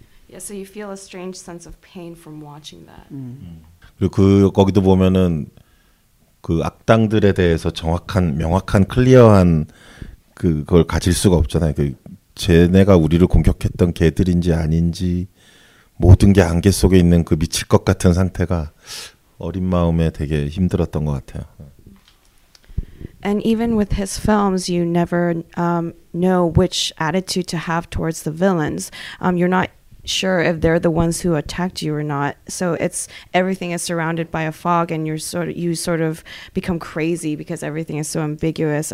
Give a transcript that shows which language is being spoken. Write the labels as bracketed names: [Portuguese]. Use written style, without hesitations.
[English] Yeah, so you feel a strange sense of pain from watching that. [Korean] 그리고 거기도 보면은 그 악당들에 대해서 정확한 명확한 클리어한 그걸 가질 수가 없잖아요. 그 쟤네가 우리를 공격했던 개들인지 아닌지 모든 게 안개 속에 있는 그 미칠 것 같은 상태가 어린 마음에 되게 힘들었던 것 같아요. [English] And even with his films, you never know which attitude to have towards the villains. You're not sure if they're the ones who attacked you or not. So it's everything is surrounded by a fog, and you sort of become crazy because everything is so ambiguous.